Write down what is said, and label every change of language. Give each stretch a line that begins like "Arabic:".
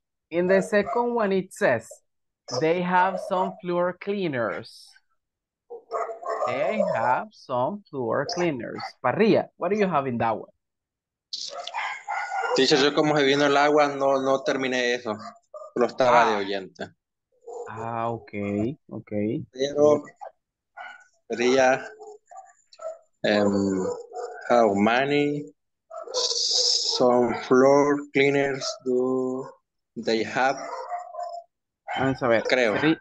English: In the second one, it says, they have some floor cleaners. They have some floor cleaners. Parrilla, what do you have in that one?
Spanish: Teacher, yo como se vino el agua, no terminé eso. Lo estaba de oyente.
English: Ah, okay, okay.
Spanish: Pero sería
English: how many some floor cleaners do they have?
Spanish: Vamos a ver. Creo.